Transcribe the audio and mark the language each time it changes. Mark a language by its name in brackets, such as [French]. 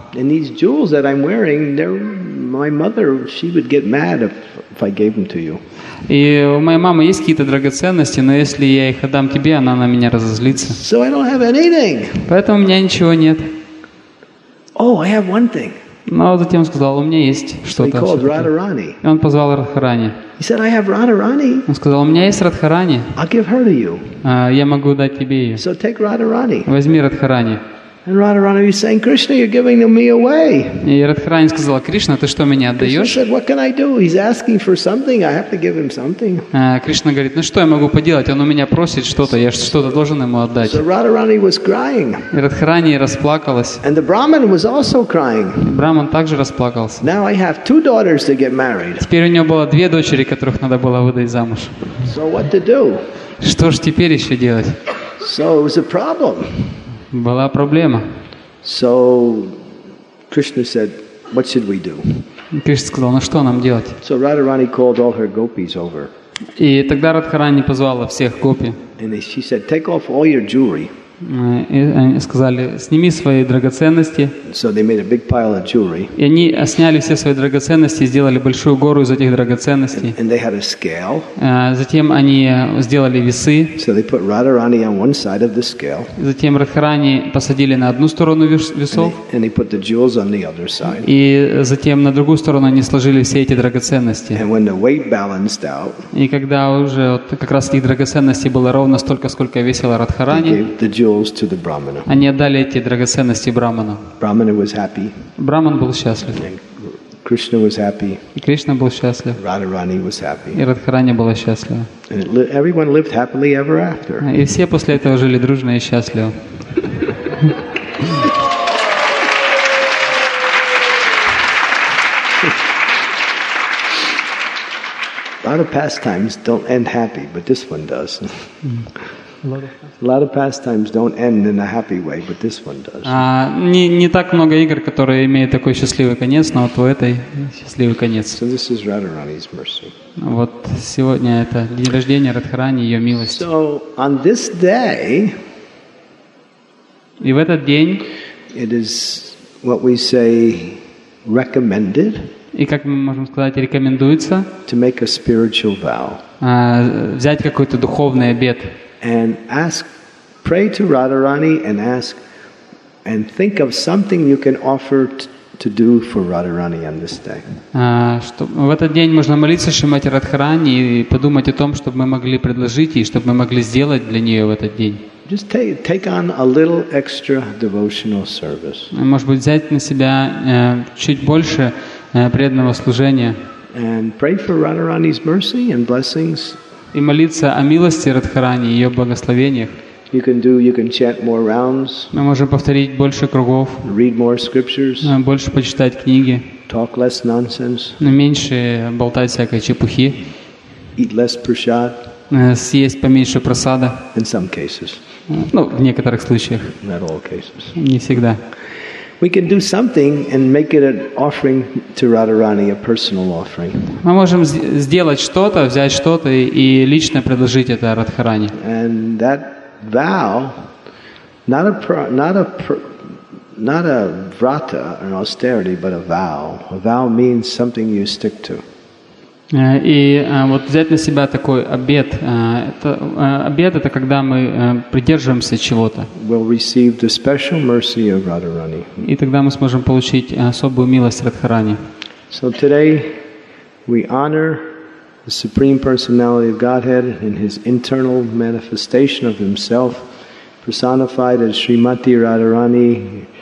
[English] And these jewels that I'm wearing, they're my mother, she would get mad if I gave them to you. [Russian] И у моей мамы есть какие-то драгоценности, но если я их отдам тебе, она на меня разозлится. [English] So I don't have anything. [Russian] Поэтому у меня ничего нет. [English] Oh, I have one thing. [Russian] Но затем сказал: у меня есть что-то. [English] He called Radharani. [Russian] И он позвал Радхарани. [English] He said, I have Radharani. [Russian] Он сказал: у меня есть Радхарани. [English] I'll give her to you. [Russian] Я могу дать тебе ее. [English] So take Radharani. [Russian] Возьми Радхарани. [English] And Radharani was saying, Krishna, you're giving me away. [Russian] И Радхарани сказала: Кришна, ты что, меня отдаешь? [English] Krishna said, what can I do? He's asking for something. I have to give him something. [Russian] Кришна говорит: ну что я могу поделать? Он у меня просит что-то. Я что-то должен ему отдать. [English] So Radharani was crying. [Russian] И Радхарани расплакалась. [English] And the Brahmin was also crying. [Russian] Брахман также расплакался. [English] Now I have two daughters to get married. [Russian] Теперь у него было две дочери, которых надо было выдать замуж. [English] So what to do? [Russian] Что ж теперь еще делать? [English] So it was a problem. [Russian] Была проблема. [English] So Krishna said, what should we do? [Russian] Кришна сказал: ну что нам делать? [English] So Radharani called all her gopis over. [Russian] И тогда Радхарани позвала всех гопи. [English] And she said, take off all your jewelry. [Russian] И они сказали: сними свои драгоценности. [English] So they made a big pile of jewelry. [Russian] И они сняли все свои драгоценности и сделали большую гору из этих драгоценностей. [English] And they had a scale. [Russian] Затем они сделали весы. [English] So they put Radharani on one side of the scale. [Russian] Затем Радхарани посадили на одну сторону весов. [English] And they put the jewels on the other side. [Russian] И затем на другую сторону они сложили все эти драгоценности. [English] And when the weight balanced out. [Russian] И когда уже вот как раз этих драгоценностей было ровно столько, сколько весила Радхарани. [English] Jewels to the brahmana. [Russian] Они отдали эти драгоценности брахману. [English] Brahmana was happy. [Russian] Брахман был счастлив. [English] Krishna was happy. [Russian] И Кришна был счастлив. [English] Radharani was happy. [Russian] И Радхарани была счастлива. [English] And everyone lived happily ever after. [Russian] И все после этого жили дружно и счастливо. [English] A lot of pastimes don't end happy, but this one does. A lot of pastimes don't end in a happy way, but this one does. [Russian] Не так много игр, которые имеют такой счастливый конец, но вот у этой счастливый конец. [English] So this is Radharani's mercy. [Russian] Вот сегодня это день рождения Радхарани, ее милость. [English] So on this day, [Russian] и в этот день, [English] it is what we say recommended. [Russian] И как мы можем сказать, рекомендуется [English] to make a spiritual vow. [Russian] Взять какой-то духовный обет. [English] And ask, pray to Radharani and ask, and think of something you can offer to do for Radharani on this day. [Russian] В этот день можно молиться Шримати Радхарани и подумать о том, чтобы мы могли предложить и чтобы мы могли сделать для нее в этот день. [English] Just take on a little extra devotional service. [Russian] Может быть, взять на себя чуть больше преданного служения. [English] And pray for Radharani's mercy and blessings. [Russian] И молиться о милости Радхарани, ее благословениях. Мы можем повторить больше кругов. [English] Read more scriptures. [Russian] Больше почитать книги. [English] Talk less nonsense. [Russian] Но меньше болтать всякой чепухи. [English] Eat less prasad. [Russian] Съесть поменьше просада. [English] In some cases. [Russian] Ну, в некоторых случаях. [English] Not all cases. [Russian] Не всегда. [English] We can do something and make it an offering to Radharani, a personal offering. [Russian] Мы можем сделать что-то, взять что-то и лично предложить это Радхарани. [English] And that vow, not a vrata, an austerity, but a vow. A vow means something you stick to. [Russian] И вот взять на себя такой обет. Обет — это когда мы придерживаемся чего-то. [English] We'll receive the special mercy of Radharani. [Russian] И тогда мы сможем получить особую милость Радхарани. [English] So today we honor the Supreme Personality of Godhead in His internal manifestation of Himself, personified as Srimati Radharani.